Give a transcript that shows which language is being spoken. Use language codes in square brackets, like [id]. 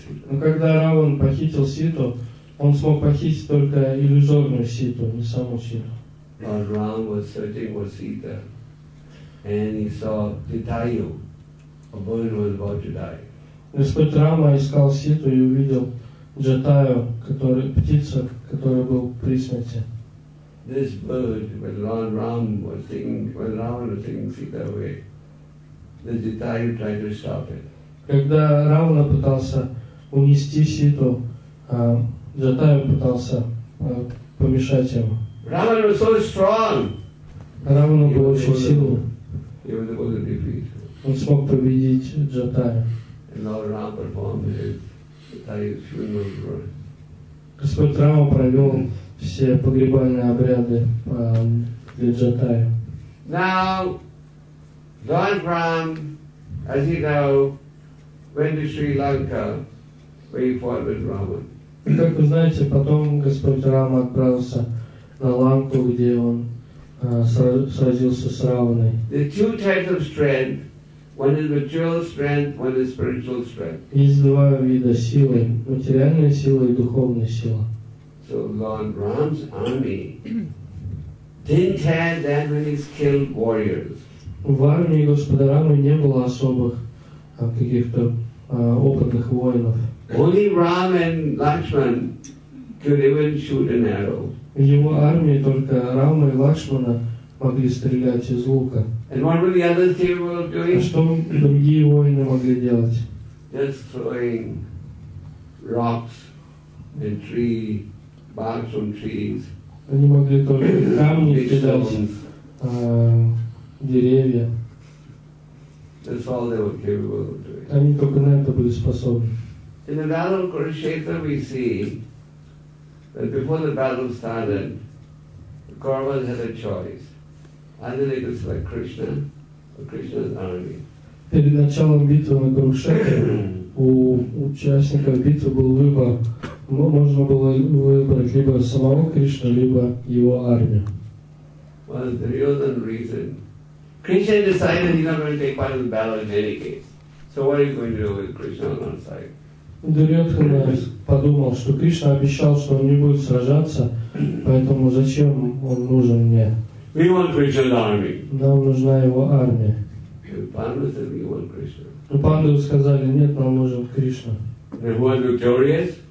[ru] Но когда Раван похитил Ситу, он смог похитить только иллюзорную Ситу, не саму Ситу. [en] Lord Ram was searching for Sita, and he saw Titayu, a bird who was about to die. [ru] Господь Рама искал Ситу и увидел Джатаю, который птица, которая была при смерти. [en] This bird, when Ram was taking Sita away, the Jatayu tried to stop it. [ru] Когда Рама пытался унести Ситу, Джатаю пытался помешать ему. [en] Раман was so strong. [ru] Равана был очень силен. [en] He was able to defeat. [ru] Он смог победить Джатаю. [en] And Lord Ram performed his funeral rite. [ru] Господь Рама провел все погребальные обряды для Джатаю. [en] Now, Lord Ram, as you know, went to Sri Lanka, where he fought with Raman. [ru] Как вы знаете, потом Господь Рама отправился на Ланку, где он сразился с Раваной. [en] The two types of strength, one is material strength, one is spiritual strength. [ru] Есть два вида силы, материальная сила и духовная сила. [en] So Lord Ram's army didn't have that many skilled warriors. [ru] В армии Господа Рамы не было особых каких-то опытных воинов. [en] Only Ram and Lakshman could even shoot an arrow. [ru] В его армии только Рама и Лакшмана могли стрелять из лука. [en] And what were the others capable of doing? [ru] А что другие воины могли делать? [en] Just throwing rocks and tree, bark from trees. [ru] Они могли только камни кидать, деревья. [en] That's all they were capable of doing. [ru] Они только на это были способны. [en] In the battle of Kurukshetra we see that before the battle started, the Kauravas had a choice. Either they could select Krishna or Krishna's army. [ru] Перед началом битвы на Курукшетре у участников битвы был выбор. Можно было выбрать либо самого Кришну, либо его армию. [en] Well, the reason. Krishna decided he's not going to take part in the battle in any case. So what are you going to do with Krishna on one side? [ru] Дурьотхана подумал, что Кришна обещал, что он не будет сражаться, поэтому зачем он нужен мне? [en] We want Krishna's army. [ru] Нам нужна его армия. [en] Pandavas said we want Krishna. [ru] Но Пандавы сказали, нет, нам нужен Кришна. [en] And who was victorious?